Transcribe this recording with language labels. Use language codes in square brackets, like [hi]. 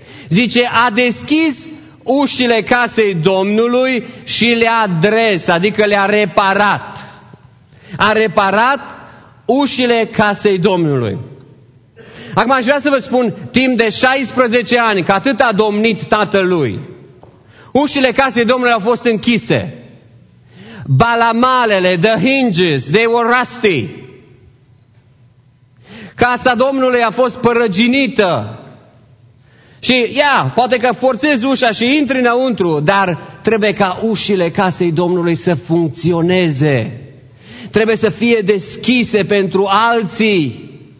[ro] Zice, a deschis ușile casei Domnului și le-a dres, adică le-a reparat. A reparat ușile casei Domnului. Acum aș vrea să vă spun, timp de 16 ani, că atât a domnit tatălui, ușile casei Domnului au fost închise. [en] Balamalele, the hinges, they were rusty. [ro] Casa Domnului a fost părăginită. Și, ia, poate că forțezi ușa și intri înăuntru, dar trebuie ca ușile casei Domnului să funcționeze. Trebuie să fie deschise pentru alții.